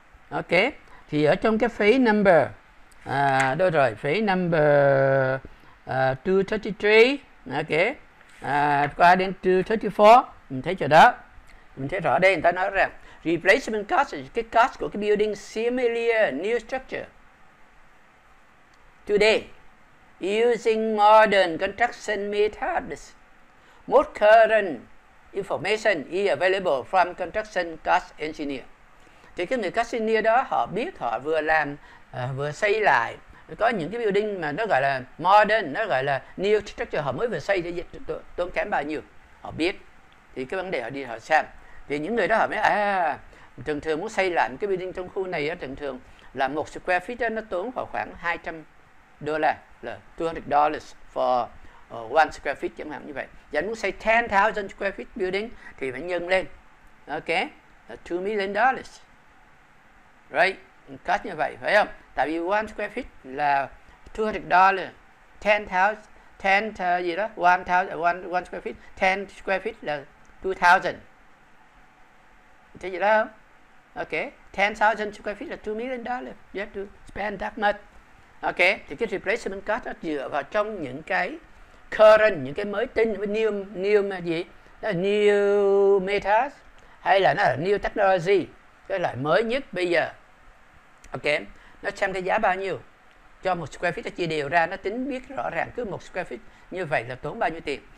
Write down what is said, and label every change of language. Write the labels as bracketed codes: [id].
[vi] Ok, thì ở trong cái phase number, đâu rồi, phase number 233, ok, qua đến 234, mình thấy chỗ đó, mình thấy rõ đây người ta nói rằng replacement cost là cái cost của cái building [en] similar new structure today using modern construction methods. Most current information is available from construction cost engineer. [vi] Thì cái người cost engineer đó họ biết họ vừa làm vừa xây lại, có những cái building mà nó gọi là modern, nó gọi là new structure, họ mới vừa xây thì tốn kém bao nhiêu, họ biết. Thì cái vấn đề họ đi họ xem. Thì những người đó họ mới thường thường muốn xây lại cái building trong khu này á, thường thường là một square feet nó tốn vào khoảng $200, là $200 [en] for one square feet [vi] chẳng hạn như vậy. Giả muốn xây 10,000 square feet building thì phải nhân lên, ok, là $2 million, [en] right, [vi] cost như vậy phải không? Tại vì [en] one square feet [vi] là $200, 10,000, 10 gì đó, 1,000 square feet, 10 square feet là 2,000, thế gì đó không? [en] Ok, 10,000 square feet là $2 million, you have to spend that much, ok. [vi] Thì cái replacement cost nó dựa vào trong những cái current, những cái mới tin, new gì đó, new methods hay là nó là new technology, cái loại mới nhất bây giờ, ok, nó xem cái giá bao nhiêu cho một square feet, nó chia đều ra, nó tính biết rõ ràng cứ một square feet như vậy là tốn bao nhiêu tiền.